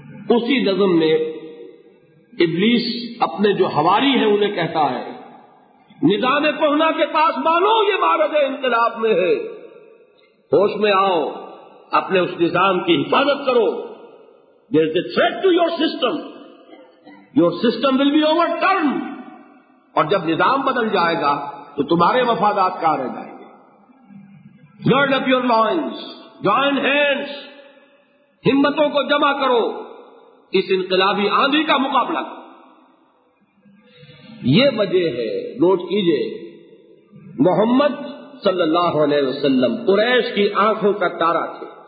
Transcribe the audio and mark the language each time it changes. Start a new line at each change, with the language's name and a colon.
Urdu: اسی نظم میں ابلیس اپنے جو حواری ہیں انہیں کہتا ہے نظام کہنا کے پاس مانو یہ مارد انقلاب میں ہے، ہوش میں آؤ، اپنے اس نظام کی حفاظت کرو.
English: There is a threat to your system will be overturned.
Urdu: اور جب نظام بدل جائے گا تو تمہارے مفادات کہاں رہ جائیں گے؟
English: Gird up your loins, join hands,
Urdu: ہمتوں کو جمع کرو، اس انقلابی آندھی کا مقابلہ کرو. یہ وجہ ہے، نوٹ کیجئے، محمد صلی اللہ علیہ وسلم قریش کی آنکھوں کا تارا تھے.